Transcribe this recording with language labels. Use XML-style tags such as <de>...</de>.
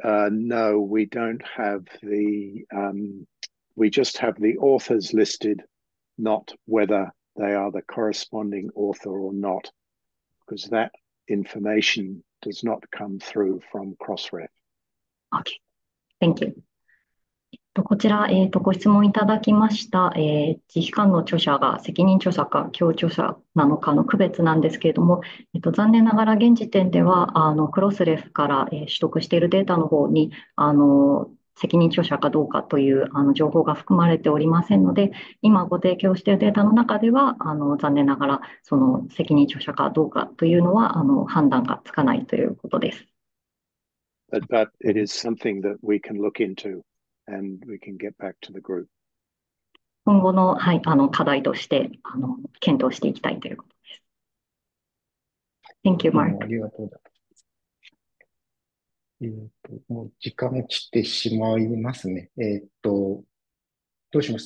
<en>No, we don't have the, we just have the authors listed, not whether they are the corresponding author or not, because that information does not come through from Crossref. Okay, thank you.</en> <ja>こちら、ご質問いただきました、自費間の著者が責任著者か共著者なのかの区別なんですけれども、残念ながら現時点ではクロスレフから、取得しているデータの方に責任著者かどうかという情報が含まれておりませんので、今ご提供しているデータの中では残念ながらその責任著者かどうかというのは判断がつかないということです。</ja> <en>But it is something that we can look intoAnd we can get back to the group.</en> <ja>今後の、はい、課題として検討していきたいということです。</ja> <en>Thank you, Mark.</en> <ja>ありがとうございます。もう時間が来てしまいますね。どうします。</ja>